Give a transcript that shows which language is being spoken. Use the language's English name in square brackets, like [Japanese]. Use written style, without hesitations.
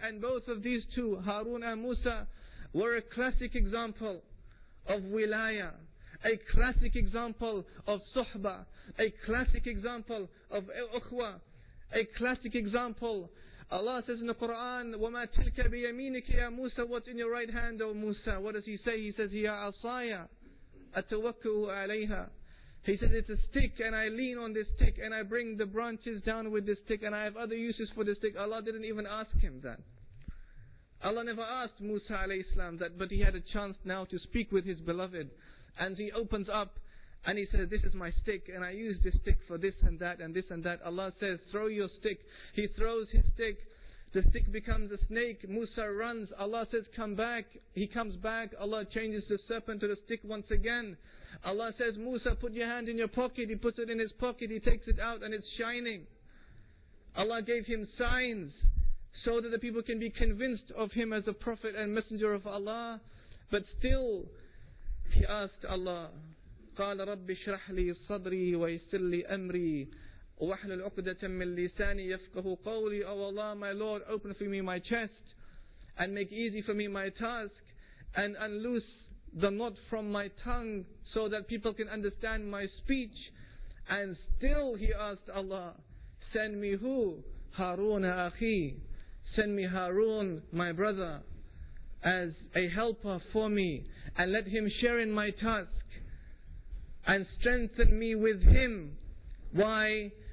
[English] And both of these two, Harun and Musa, were a classic example of wilaya, a classic example of suhba, a classic example of ukhwa, a classic example. Allah says in the Quran, [Arabic] وَمَا تِلْكَ بِيَمِينِكَ يَا مُوسَى. [English] What's in your right hand, O Musa? What does he say? He says, [Arabic] هِيَا عَصَايَا أَتَوَكُّهُ عَلَيْهَا. [English] He says, it's a stick and I lean on this stick and I bring the branches down with this stick and I have other uses for this stick. Allah didn't even ask him that. Allah never asked Musa alayhi salam that, but he had a chance now to speak with his beloved. And he opens up And he says, this is my stick, and I use this stick for this and that and this and that. Allah says, throw your stick. He throws his stick. The stick becomes a snake. Musa runs. Allah says, come back. He comes back. Allah changes the serpent to the stick once again. Allah says, Musa, put your hand in your pocket. He puts it in his pocket. He takes it out and it's shining. Allah gave him signs so that the people can be convinced of him as a prophet and messenger of Allah. But still, he asked Allah, [Arabic] قال رب اشرح لي صدري ويسر لي امري واحلل عقدة من لساني يفقهوا قولي. [English] Oh Allah, my Lord, open for me my chest and make easy for me my task and unloose the knot from my tongue so that people can understand my speech. And still he asked Allah, send me who? Harun akhi. Send me Harun, my brother, as a helper for me, and let him share in my task and strengthen me with him. Why?